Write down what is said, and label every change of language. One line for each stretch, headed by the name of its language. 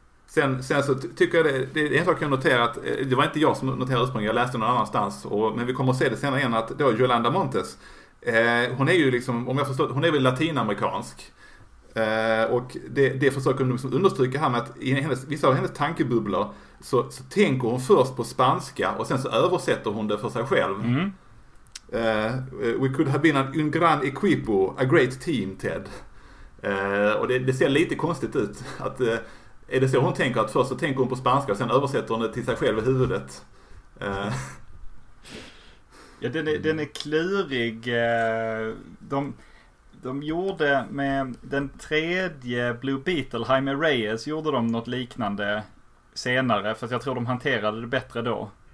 Swedish: Sen så tycker jag det är en sak jag noterat, det var inte jag som noterade ursprungligen, jag läste någon annanstans, men vi kommer att se det senare igen, att då Yolanda Montes, hon är ju liksom, om jag förstår, hon är väl latinamerikansk, och det försöker hon liksom understryka här med att i vissa av hennes tankebubblor så tänker hon först på spanska och sen så översätter hon det för sig själv. Mm.
English: We could have been
Spanish: un gran equipo,
English: a great team, Ted.
Swedish: Och det ser lite konstigt ut att är det så hon tänker, att först så tänker hon på spanska och sen översätter hon det till sig själv i huvudet? Ja, den är klurig. De gjorde med den tredje Blue Beetle, Jaime Reyes, gjorde de något liknande senare, för att jag tror de hanterade det bättre då.